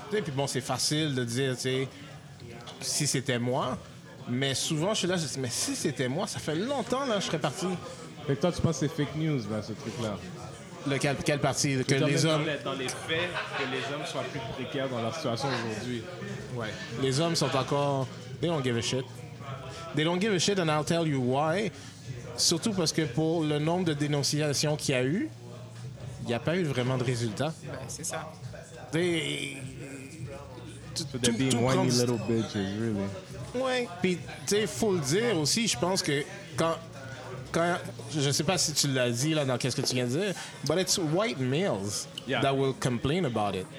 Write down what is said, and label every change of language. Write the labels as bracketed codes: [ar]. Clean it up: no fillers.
[fr] Puis bon, c'est facile de dire, tu sais, si c'était moi. Mais souvent, je suis là, je dis, mais si c'était moi, ça fait longtemps, là, je serais parti. Fait que toi, tu penses que c'est fake news, ben, ce truc-là? Quelle partie? Que les hommes... dans les faits, que les hommes soient plus précaires dans leur situation aujourd'hui. Ouais. Les hommes sont encore... [en] They don't give a shit. They don't give a shit and I'll tell you why. [fr] Surtout parce que pour le nombre de dénonciations qu'il y a eu, il n'y a pas eu vraiment de résultats. Ben, c'est ça. [en] They're being whiny little bitches, really. [fr] Ouais. Puis, tu sais, il faut le dire aussi, je pense que quand, je sais pas si tu l'as dit là dans qu'est-ce que tu viens de dire, [en] but it's white males that will complain about it.